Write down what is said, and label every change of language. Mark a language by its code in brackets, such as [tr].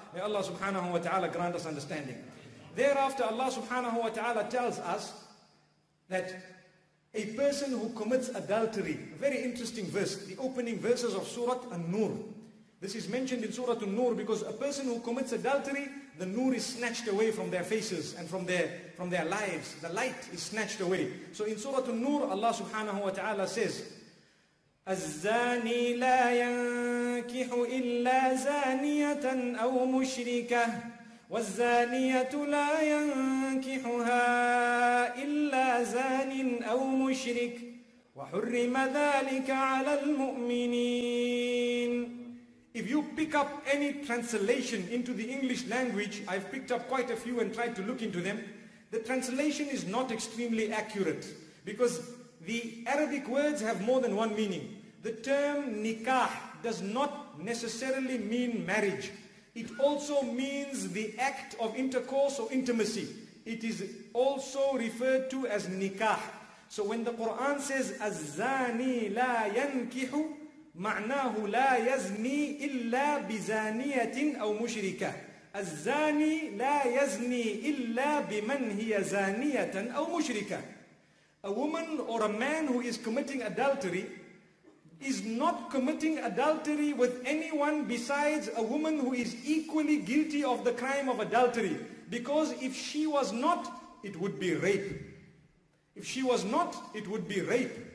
[en] May Allah subhanahu wa ta'ala grant us understanding. Thereafter, Allah subhanahu wa ta'ala tells us that a person who commits adultery, a very interesting verse, the opening verses of Surah An-Nur. This is mentioned in Surah An-Nur because a person who commits adultery, the nur is snatched away from their faces and from their lives. The light is snatched away. So in Surah An-Nur, Allah subhanahu wa ta'ala says, [ar] الزاني لا ينكح إلا زانية أو مشركة والزانية لا ينكحها إلا زان أو مشرك وحرم ذلك على المؤمنين. [en] If you pick up any translation into the English language, I've picked up quite a few and tried to look into them, the translation is not extremely accurate because the Arabic words have more than one meaning. The term nikah does not necessarily mean marriage. It also means the act of intercourse or intimacy. It is also referred to as nikah. So when the Quran says, [ar] الزاني لا ينكح, معناه لا يزني إلا بزانية أو مشركة. الزاني لا يزني إلا بمن هي زانية أو مشركة. [en] A woman or a man who is committing adultery is not committing adultery with anyone besides a woman who is equally guilty of the crime of adultery. Because if she was not, it would be rape. If she was not, it would be rape.